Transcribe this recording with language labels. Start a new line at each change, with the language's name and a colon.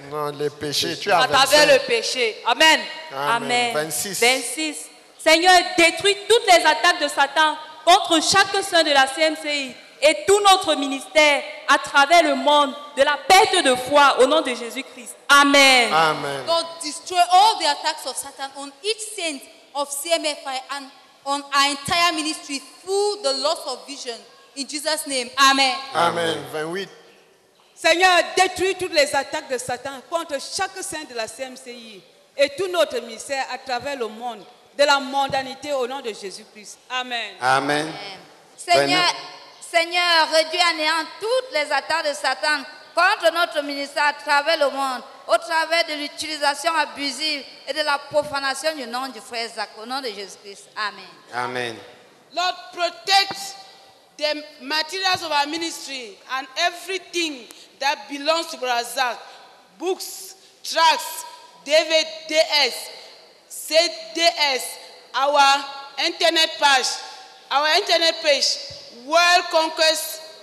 French: Non, les péchés. Tu à as travers le péché. Amen. Amen. Amen. 26. Seigneur, détruis toutes les attaques de Satan contre chaque saint de la CMCI et tout notre ministère à travers le monde de la perte de foi au nom de Jésus-Christ. Amen. Amen.
English: God, destroy all the attacks of Satan on each saint of CMFI and on our entire ministry through the loss of vision. In Jesus' name. Amen. Amen.
French: 28. Seigneur, détruis toutes les attaques de Satan contre chaque saint de la CMCI et tout notre ministère à travers le monde de la mondanité au nom de Jésus-Christ. Amen. Amen. Seigneur, réduis à néant toutes les attaques de Satan contre notre ministère à travers le monde, au travers de l'utilisation abusive et de la profanation du nom du frère Zach, au nom de Jésus-Christ. Amen. Amen.
English: Lord, protect the materials of our ministry and everything that belongs to Brother Zach, books, tracts, DVDs, CDs, our internet page, World Conquest